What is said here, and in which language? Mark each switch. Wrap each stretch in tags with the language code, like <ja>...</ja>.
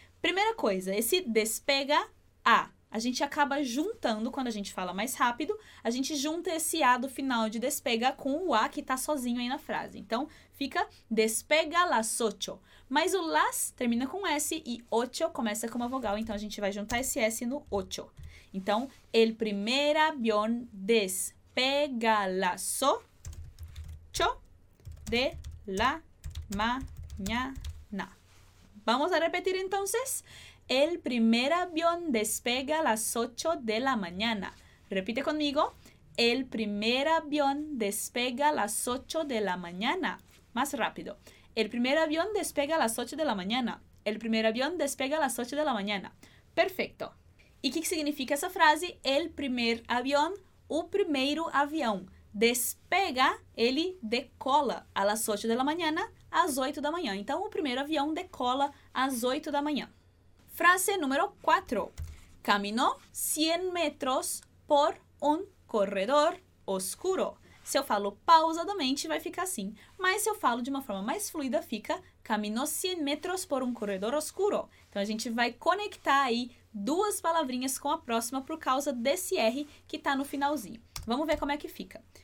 <pt>Primeira coisa, esse despega A. A gente acaba juntando, quando a gente fala mais rápido, a gente junta esse A do final de despega com o A que está sozinho aí na frase. Então, fica</pt> <es>despega las ocho.</es> <pt>Mas o las termina com S e ocho começa com uma vogal. Então, a gente vai juntar esse S no ocho. Então,</pt> <es>el primer avión despega las ocho de la mañana. Vamos a repetir,</es> <pt>então.</pt> <es>El primer avión despega a las 8 de la mañana. Repite conmigo. El primer avión despega a las 8 de la mañana. Más rápido. El primer avión despega a las 8 de la mañana. El primer avión despega a las 8 de la mañana. Perfecto. ¿Y qué significa esa frase? El primer avión,</es> <pt>o primeiro avião.</pt> <es>Despega,</es> <pt>ele decola</pt> <es>a las 8 de la mañana,</es> <pt>às 8 da manhã. Então, o primeiro avião decola às 8 da manhã. Frase número 4.</pt> <es>Caminó 100 metros por un corredor oscuro.</es> <pt>Se eu falo pausadamente, vai ficar assim. Mas se eu falo de uma forma mais fluida, fica</pt> <es>caminó 100 metros por un corredor oscuro.</es> <pt>Então, a gente vai conectar aí duas palavrinhas com a próxima por causa desse R que está no finalzinho. Vamos ver como é que fica.</pt>